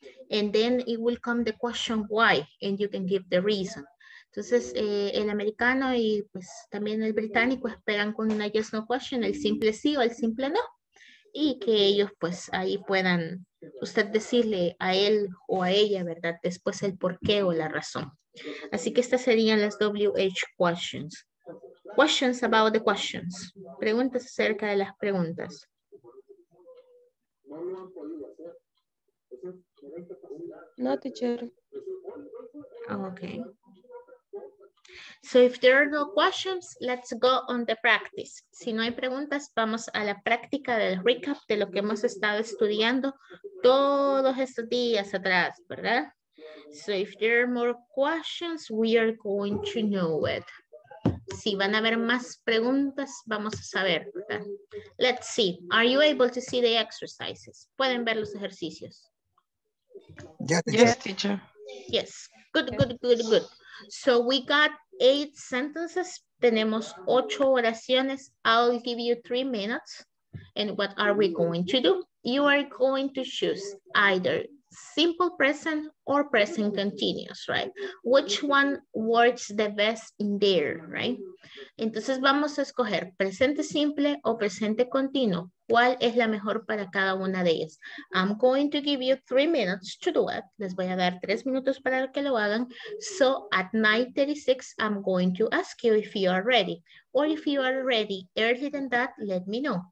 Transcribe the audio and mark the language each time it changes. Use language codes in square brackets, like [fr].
[en] And then it will come the question why, and you can give the reason. [es] Entonces, el americano y pues también el británico esperan con una yes no question, el simple sí o el simple no, y que ellos pues ahí puedan usted decirle a él o a ella, ¿verdad? Después el por qué o la razón. Así que estas serían las WH questions. [en] Questions about the questions. [es] Preguntas acerca de las preguntas. [en] No, teacher. Okay. So if there are no questions, let's go on the practice. [es] Si no hay preguntas, vamos a la práctica del recap de lo que hemos estado estudiando todos estos días atrás, ¿verdad? [en] So if there are more questions, we are going to know it. [es] Si van a haber más preguntas, vamos a saber, ¿verdad? [en] Let's see. Are you able to see the exercises? [es] ¿Pueden ver los ejercicios? [en] Yes, teacher. Yes. Good, good, good, good. So we got 8 sentences. [es] Tenemos 8 oraciones. [en] I'll give you 3 minutes. And what are we going to do? You are going to choose either simple present or present continuous, right? Which one works the best in there, right? [es] Entonces vamos a escoger presente simple o presente continuo. ¿Cuál es la mejor para cada una de ellas? [en] I'm going to give you 3 minutes to do it. [es] Les voy a dar 3 minutos para que lo hagan. [en] So at 9:36, I'm going to ask you if you are ready. Or if you are ready earlier than that, let me know.